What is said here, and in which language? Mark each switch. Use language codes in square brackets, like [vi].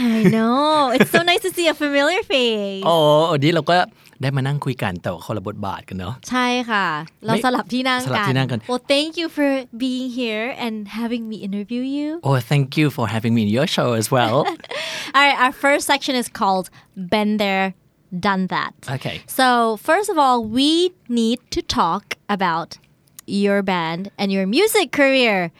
[en] I know it's so nice to see a familiar face [th] อ๋อดีเราก็ได้มานั่งคุยกันแต่คนละบทบาทกันเนาะ ใช่ค่ะเราสลับที่นั่งกัน สลับที่นั่งกัน [en] Well thank you for being here and having me interview you Oh thank you for having me in your show as well Alright our first section is called Been There Done That Okay So first of all we need to talk aboutYour band and your music career.